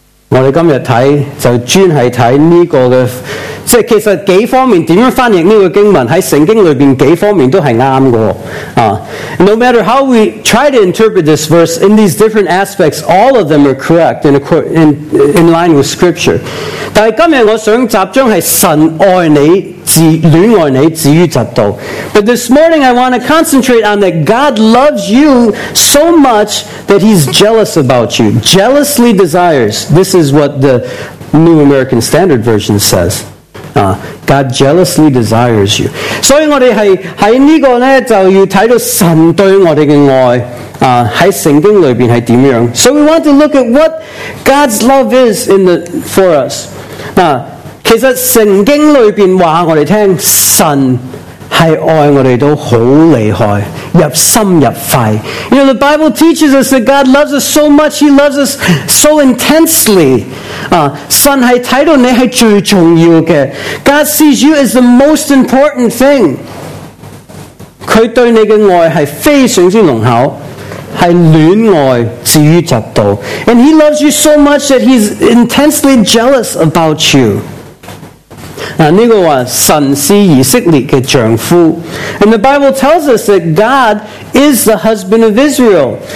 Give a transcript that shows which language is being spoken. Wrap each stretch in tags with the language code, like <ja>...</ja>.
<zh>我们今天看就专是看这个的，即其实几方面怎样翻译这个经文，在圣经里面几方面都是对的。</zh> <en>No matter how we try to interpret this verse, in these different aspects, all of them are correct in line with scripture.</en> <zh>但今天我想集中是神爱你，恋爱你至于嫉妒。</zh> <en>But this morning I want to concentrate on that God loves you so much that he's jealous about you. Jealously desires. This is what the New American Standard Version says. God jealously desires you.</en> <zh>所以我们是在这个呢就要看到神对我们的爱在圣经里面是怎样。</zh> <en>So we want to look at what God's love is for us.</en> <zh>其实圣经里面告诉我们神是爱我们都很厉害，入心入肺。</zh> <en>You know, the Bible teaches us that God loves us so much, he loves us so intensely.</en> <zh>神是看到你是最重要的。</zh> <en>God sees you as the most important thing.</en> <zh>祂对你的爱是非常之浓厚，是恋爱至于嫉妒。</zh> <en>And he loves you so much that he's intensely jealous about you.</en> <zh>这个说神是以色列的丈夫。</zh> <en>And the Bible tells us that God is the husband of Israel.</en>